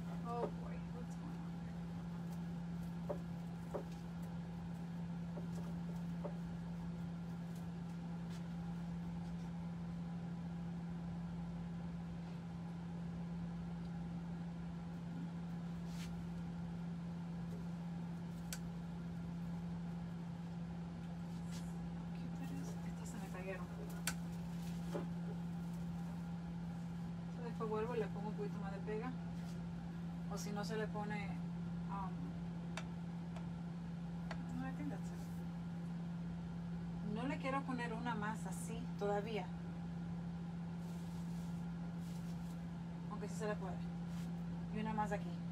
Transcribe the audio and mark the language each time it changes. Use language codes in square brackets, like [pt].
[en] Oh boy, what's going on? [es] ¿Qué tal es? Estas se me cayeron. [en] So [es] después vuelvo y le pongo un poquito más de pega. O si no se le pone, no, [en] I think that's it. [es] No le quiero poner una más así todavía, aunque sí se le puede, y una más aquí.